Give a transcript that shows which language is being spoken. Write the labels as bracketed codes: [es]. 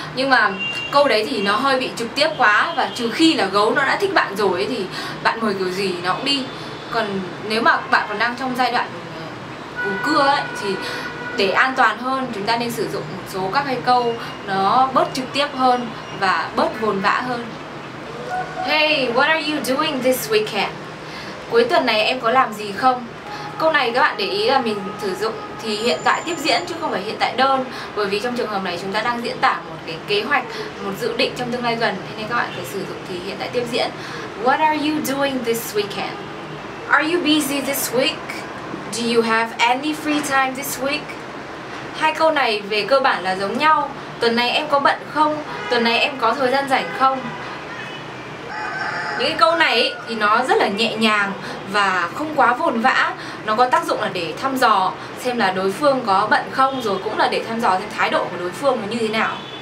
[vi] Nhưng mà câu đấy thì nó hơi bị trực tiếp quá, và trừ khi là gấu nó đã thích bạn rồi ấy, thì bạn mời kiểu gì nó cũng đi. Còn nếu mà bạn còn đang trong giai đoạn ủ cưa ấy, thì để an toàn hơn chúng ta nên sử dụng một số các cái câu nó bớt trực tiếp hơn và bớt vồn vã hơn. [en] Hey, what are you doing this weekend? [vi] Cuối tuần này em có làm gì không? Câu này các bạn để ý là mình sử dụng thì hiện tại tiếp diễn chứ không phải hiện tại đơn, bởi vì trong trường hợp này chúng ta đang diễn tả một cái kế hoạch, một dự định trong tương lai gần, thế nên các bạn phải sử dụng thì hiện tại tiếp diễn. [en] What are you doing this weekend? Are you busy this week? Do you have any free time this week? [vi] Hai câu này về cơ bản là giống nhau. Tuần này em có bận không? Tuần này em có thời gian rảnh không? Những cái câu này thì nó rất là nhẹ nhàng và không quá vồn vã. Nó có tác dụng là để thăm dò xem là đối phương có bận không, rồi cũng là để thăm dò xem thái độ của đối phương nó như thế nào.